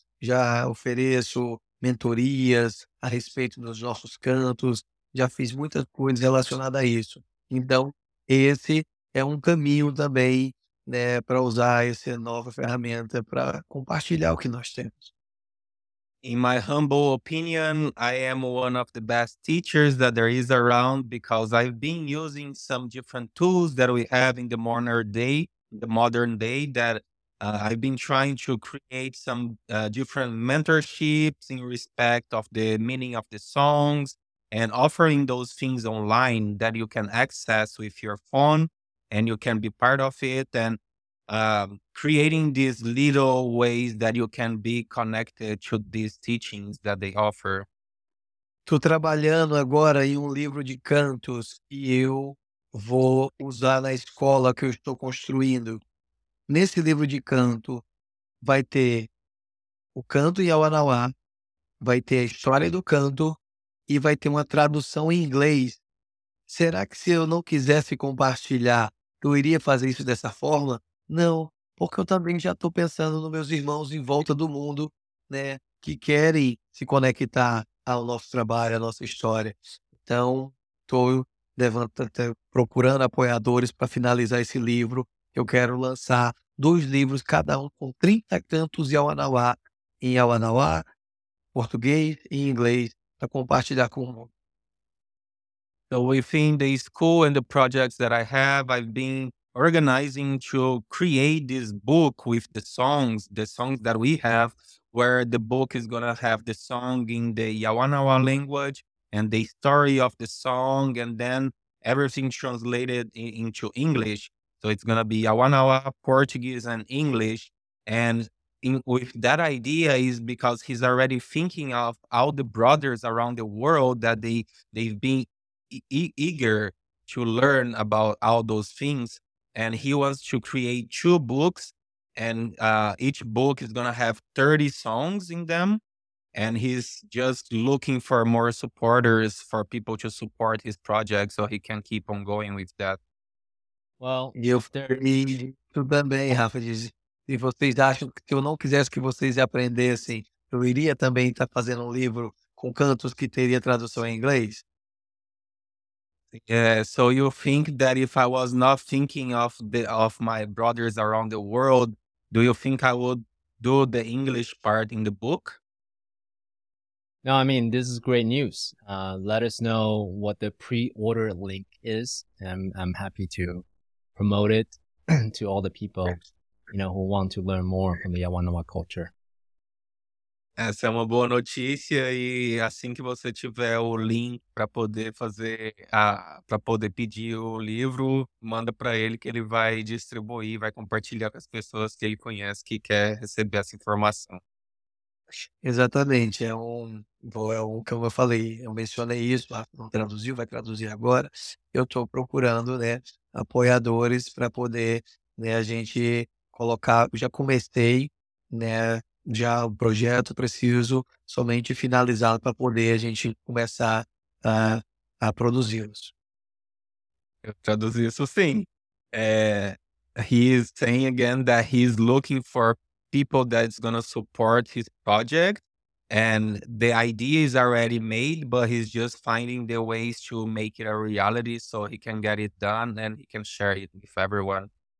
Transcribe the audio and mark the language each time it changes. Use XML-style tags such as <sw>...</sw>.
<pt>Já ofereço mentorias a respeito dos nossos cantos, já fiz muitas coisas relacionadas a isso. Então, esse é um caminho também, né, para usar essa nova ferramenta para compartilhar o que nós temos.</pt> <en>In my humble opinion, I am one of the best teachers that there is around because I've been using some different tools that we have in the modern day that I've been trying to create some different mentorships in respect of the meaning of the songs and offering those things online that you can access with your phone and you can be part of it. And creating these little ways that you can be connected to these teachings that they offer.</en> <pt>Tô trabalhando agora em um livro de cantos que eu vou usar na escola que eu estou construindo. Nesse livro de canto vai ter o canto em Yawanawa, vai ter a história do canto e vai ter uma tradução em inglês. Será que se eu não quisesse compartilhar, eu iria fazer isso dessa forma? Não, porque eu também já estou pensando nos meus irmãos em volta do mundo, né, que querem se conectar ao nosso trabalho, à nossa história. Então, estou procurando apoiadores para finalizar esse livro. Eu quero lançar dois livros, cada um com 30 cantos Yawanawa, em Yawanawa, português e inglês, para compartilhar com o mundo.</pt> <en>So within the school and the projects that I have, I've been organizing to create this book with the songs that we have, where the book is going to have the song in the Yawanawa language and the story of the song and then everything translated into English. So it's going to be Yawanawa, Portuguese and English. And with that idea is because he's already thinking of all the brothers around the world that they've been eager to learn about all those things. And he wants to create two books, and each book is going to have 30 songs in them. And he's just looking for more supporters, for people to support his project so he can keep on going with that. Well,</en> <pt>também, Rafa, se vocês acham que eu não quisesse que vocês aprendessem, eu iria também estar fazendo livro com cantos que teria tradução em inglês.</pt> <en>Yeah, so you think that if I was not thinking of my brothers around the world, do you think I would do the English part in the book? No, I mean, this is great news. Let us know what the pre-order link is, and I'm happy to promote it to all the people, you know, who want to learn more from the Yawanawa culture.</en> <pt>Essa é uma boa notícia, e assim que você tiver o link para poder fazer para poder pedir o livro, manda para ele que ele vai distribuir, vai compartilhar com as pessoas que ele conhece que quer receber essa informação. Exatamente, é um como eu falei, eu mencionei isso, não traduziu, vai traduzir agora. Eu estou procurando, né, apoiadores para poder, né, a gente colocar. Já comecei, né, já o projeto, preciso somente finalizá-lo para poder a gente começar a produzi-los. Eu traduzi isso, sim.</pt> <en>He is saying again that he is looking for people that is going to support his project, and the idea is already made, but he's just finding the ways to make it a reality so he can get it done and he can share it with everyone.</en>